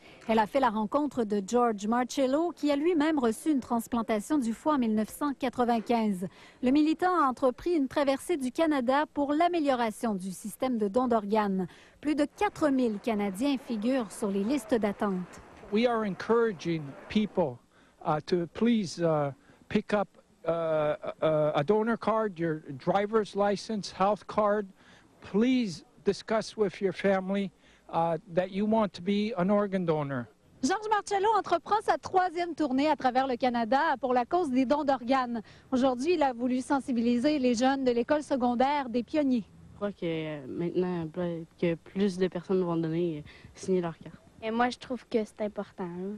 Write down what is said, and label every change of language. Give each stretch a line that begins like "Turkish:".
French: Elle a fait la rencontre de George Marcello, qui a lui-même reçu une transplantation du foie en 1995. Le militant a entrepris une traversée du Canada pour l'amélioration du système de don d'organes. Plus de 4000 Canadiens figurent sur les listes d'attente.
English: We are encouraging people to please pick up a donor card, your driver's license, health card. Please discuss with your family that you want to be an organ donor.
French: George Marcello entreprend sa 3e tournée à travers le Canada pour la cause des dons d'organes. Aujourd'hui, il a voulu sensibiliser les jeunes de l'école secondaire des Pionniers. Je crois que maintenant, que plus de personnes vont donner, signer leur carte. Et moi, je trouve que c'est important.